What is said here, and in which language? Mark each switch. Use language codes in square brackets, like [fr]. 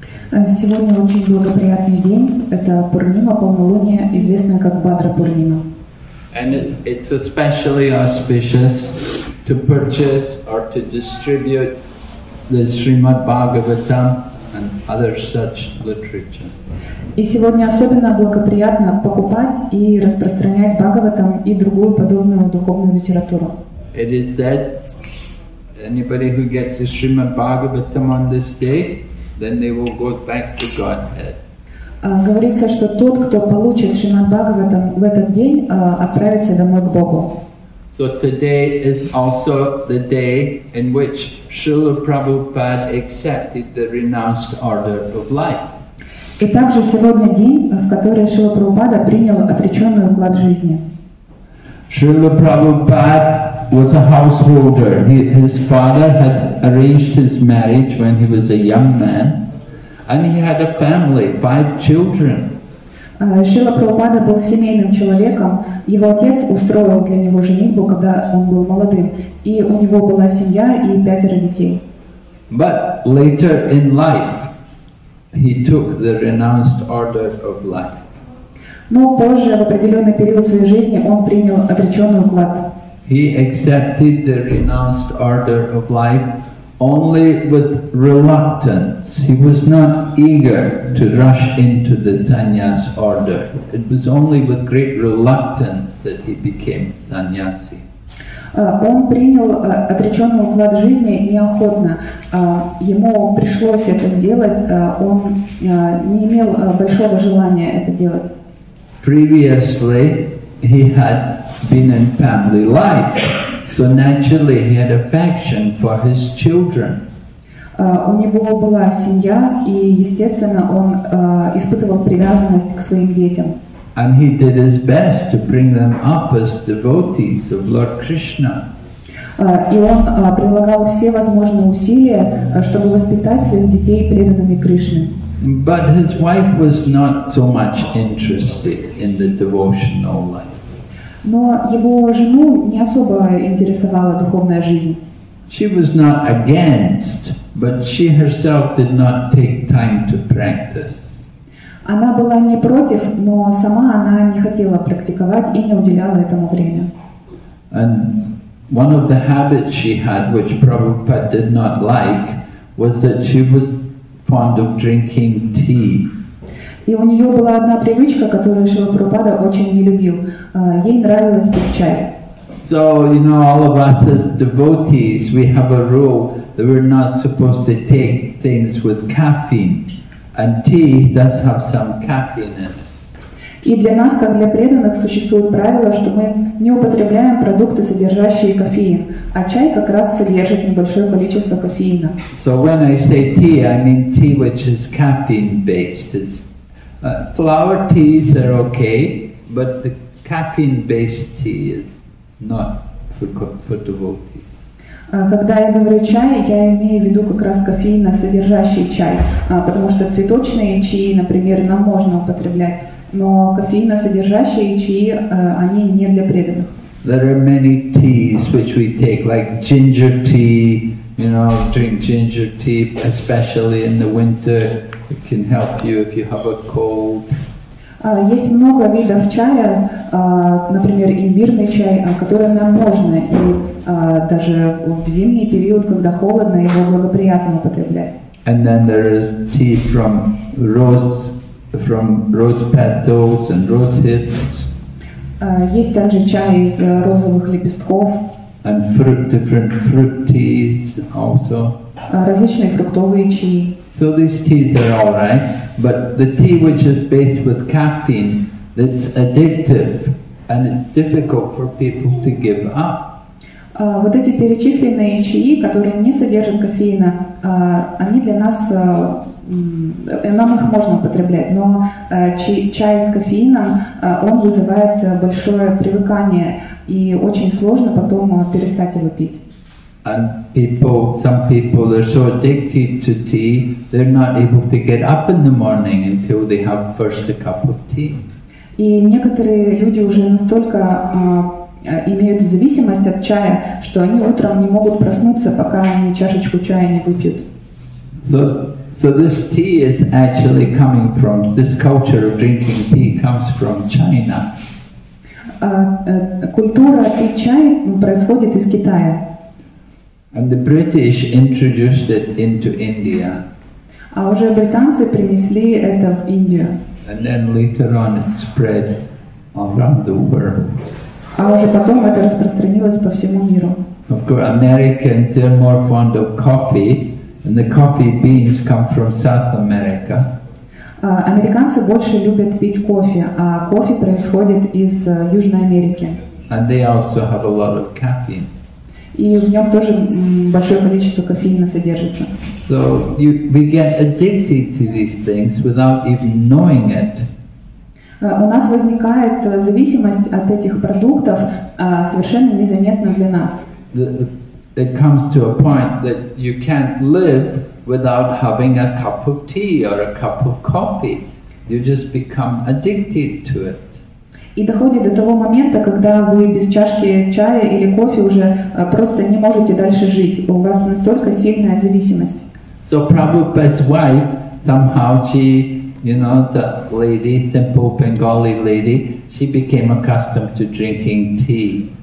[ru] Сегодня очень благоприятный день. Это Пурнима, полнолуние, известная как Бхадра Пурнима. [en] And it's especially auspicious to purchase or to distribute the Srimad Bhagavatam and other such literature. [ru] И сегодня особенно благоприятно покупать и распространять Бхагаватам и другую подобную духовную литературу. [en] It is said anybody who gets a Srimad Bhagavatam on this day, then they will go back to Godhead. [ru] Говорится, что тот, кто получит Srimad Bhagavatam в этот день, отправится домой к Богу. [en] So today is also the day in which Srila Prabhupada accepted the renounced order of life. [ru] И также сегодня день, в который Шрила Прабхупада принял отреченный уклад жизни. [en] Шрила Прабхупада was a householder. His father had arranged his marriage when he was a young man, and he had a family, five children. [ru] Шрила Прабхупада был семейным человеком. Его отец устроил для него женитьбу, когда он был молодым, и у него была семья и пятеро детей. [en] But later in life, he took the renounced order of life. [ru] Но позже, в определенный период своей жизни, он принял отреченный уклад. [en] He accepted the renounced order of life only with reluctance. He was not eager to rush into the sannyas order. It was only with great reluctance that he became sannyasi. [ru] Он принял отреченный уклад жизни неохотно. Ему пришлось это сделать. Он не имел большого желания это делать. [en] Previously he had been in family life, so naturally he had affection for his children. [ru] У него была семья, и естественно он испытывал привязанность к своим детям. [en] And he did his best to bring them up as devotees of Lord Krishna. [ru] И он прилагал все возможные усилия, чтобы воспитать своих детей преданными Кришне. [en] But his wife was not so much interested in the devotional life. [ru] Но его жену не особо интересовала духовная жизнь. [en] She was not against, but she herself did not take time to practice. [ru] Она была не против, но сама она не хотела практиковать и не уделяла этому время. [en] And one of the habits she had, which Prabhupada did not like, was that she was fond of drinking tea. [ru] И у нее была одна привычка, которую Шрила Прабхупада очень не любил. Ей нравилось пить чай. [en] So, you know, all of us as devotees, we have a rule that we're not supposed to take things with caffeine. And tea does have some caffeine in it. [ru] И для нас, как для преданных, существует правило, что мы не употребляем продукты, содержащие кофеин, а чай как раз содержит небольшое количество кофеина. [en] So when I say tea, I mean tea which is caffeine-based. Flower teas are okay, but the caffeine-based tea is not for devotees. [ru] Когда я говорю чай, я имею в виду как раз кофеин, содержащий чай, потому что цветочные чаи, например, нам можно употреблять, но кофеин, содержащий чаи, они не для преданных. [en] There are many teas which we take, like ginger tea. You know, drink ginger tea, especially in the winter. It can help you if you have a cold. [ru] Есть много видов чая, например, имбирный чай, который нам можно и даже в зимний период, когда холодно, его благоприятно употреблять. [en] And then there is tea from rose petals and rose hips. [ru] Есть также чай из розовых лепестков. [en] And different fruit teas also. [ru] Различные фруктовые чаи. [en] So these teas are all right. But the tea which is based with caffeine, it's addictive, and it's difficult for people to give up. [ru] Вот эти перечисленные чаи, которые не содержат кофеина, они для нас, нам их можно употреблять, но чай с кофеином, он вызывает большое привыкание, и очень сложно потом перестать его пить. [en] And people, some people are so addicted to tea, they're not able to get up in the morning until they have first a cup of tea. [ru] И некоторые люди уже настолько имеют зависимость от чая, что они утром не могут проснуться, пока они чашечку чая не выпьют. [en] So this tea is actually coming from, this culture of drinking tea comes from China. [ru] Культура пить чай происходит из Китая. [en] And the British introduced it into India. [ru] А уже британцы принесли это в Индию. [en] And then later on it spread around the world. [ru] А уже потом это распространилось по всему миру. [en] Of course, Americans, they're more fond of coffee, and the coffee beans come from South America. [ru] Американцы больше любят пить кофе, а кофе происходит из Южной Америки. [en] And they also have a lot of caffeine. [ru] И в нем тоже большое количество кофеина содержится. [en] So we get addicted to these things without even knowing it. [ru] У нас возникает зависимость от этих продуктов совершенно незаметно для нас. [en] It comes to a point that you can't live without having a cup of tea or a cup of coffee. You just become addicted to it. [ru] И доходит до того момента, когда вы без чашки чая или кофе уже просто не можете дальше жить. У вас настолько сильная зависимость. [en] So Prabhupada's wife, somehow she, you know, the lady, simple Bengali lady, she became accustomed to drinking tea.